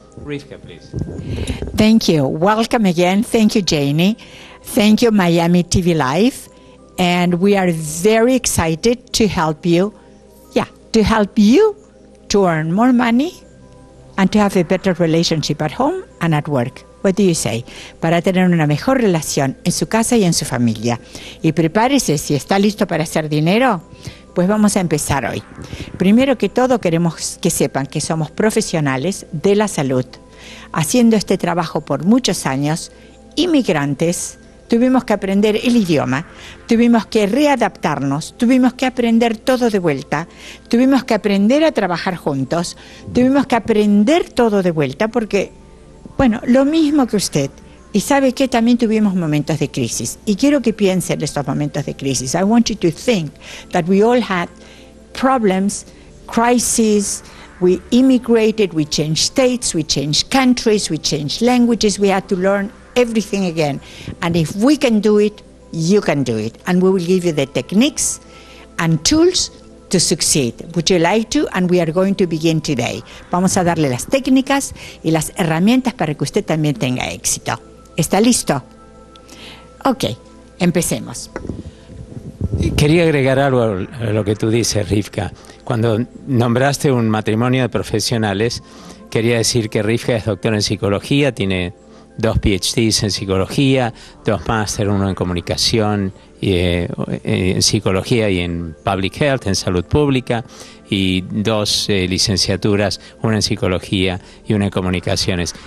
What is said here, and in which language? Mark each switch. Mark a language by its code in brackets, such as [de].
[en] Ripka, please. Thank you. Welcome again. Thank you, Jenny. Thank you, Miami TV Live, and we are very excited to help you, to help you to earn more money and to have a better relationship at home and at work. What do you say? [es] Para tener una mejor relación en su casa y en su familia. Y prepárese, si está listo para hacer dinero, pues vamos a empezar hoy. Primero que todo, queremos que sepan que somos profesionales de la salud, haciendo este trabajo por muchos años, inmigrantes. Tuvimos que aprender el idioma, tuvimos que readaptarnos, tuvimos que aprender todo de vuelta, tuvimos que aprender a trabajar juntos, tuvimos que aprender todo de vuelta porque, bueno, lo mismo que usted. Y sabe que también tuvimos momentos de crisis. Y quiero que piense en estos momentos de crisis. [en] I want you to think that we all had problems, crises. We immigrated, we changed states, we changed countries, we changed languages, we had to learn everything again. And if we can do it, you can do it. And we will give you the techniques and tools to succeed. Would you like to? And we are going to begin today. [es] Vamos a darle las técnicas y las herramientas para que usted también tenga éxito. ¿Está listo? Ok, empecemos. Quería agregar algo a lo que tú dices, Ripka. Cuando nombraste un matrimonio de profesionales, quería decir que Ripka es doctora en psicología, tiene dos PhDs en psicología, dos másteres, uno en comunicación y en psicología y en [en] public health, [es] en salud pública, y dos licenciaturas, una en psicología y una en comunicaciones.